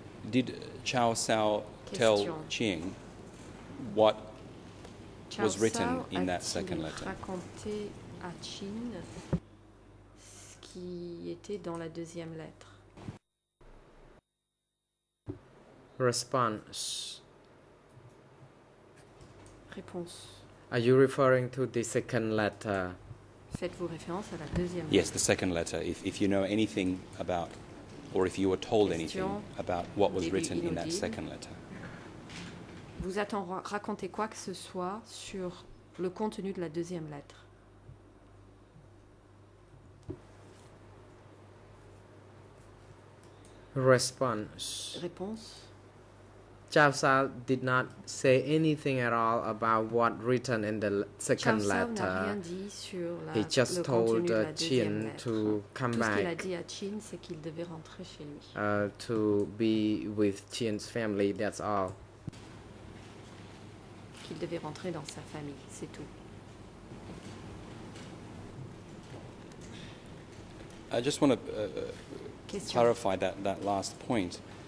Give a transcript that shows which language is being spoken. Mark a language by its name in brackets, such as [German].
[English] Did Chow Sao tell Qing what was written in that second letter? [French] Raconté à Qing ce qui était dans la deuxième lettre. [English] Response. [French] Réponse. [English] Are you referring to the second letter? [French] Faites-vous référence à la deuxième lettre? [English] Yes, the second letter. If you know anything about, or if you were told anything about what was written in that second letter. [French] Vous a-t-on raconté quoi que ce soit sur le contenu de la deuxième lettre? [English] Response. [French] Réponse. [English] Chow Sao did not say anything at all about what written in the second letter. He just told Qin to come back. [French] Tout ce qu'il a dit à Qin, c'est qu'il devait rentrer chez lui. [English] To be with Qin's family, that's all. [French] Qu'il devait rentrer dans sa famille, c'est tout. [English] I just want to clarify that last point.